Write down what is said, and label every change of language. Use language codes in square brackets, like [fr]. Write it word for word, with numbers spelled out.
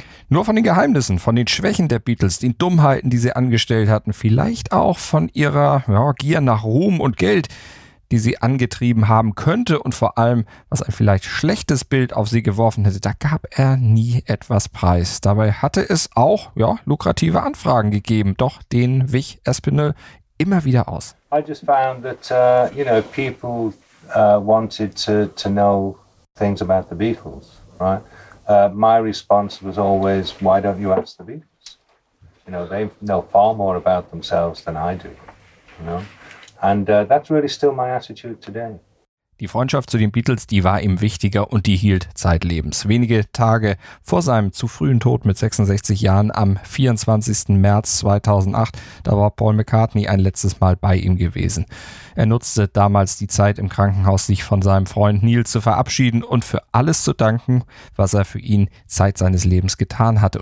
[de] Nur von den Geheimnissen, von den Schwächen der Beatles, den Dummheiten, die sie angestellt hatten, vielleicht auch von ihrer ja, Gier nach Ruhm und Geld, die sie angetrieben haben könnte, und vor allem, was ein vielleicht schlechtes Bild auf sie geworfen hätte, da gab er nie etwas preis. Dabei hatte es auch ja, lukrative Anfragen gegeben, doch denen wich Aspinall immer wieder aus. [en] I just found that uh, you know people uh, wanted to to know things about the Beatles, right? Uh, my response was always, why don't you ask the Beatles? You know, they know far more about themselves than I do. you know. And uh, that's really still my attitude today. [de] Die Freundschaft zu den Beatles, die war ihm wichtiger und die hielt zeitlebens. Wenige Tage vor seinem zu frühen Tod mit sechsundsechzig Jahren am vierundzwanzigsten März zweitausendacht, da war Paul McCartney ein letztes Mal bei ihm gewesen. Er nutzte damals die Zeit im Krankenhaus, sich von seinem Freund Neil zu verabschieden und für alles zu danken, was er für ihn Zeit seines Lebens getan hatte.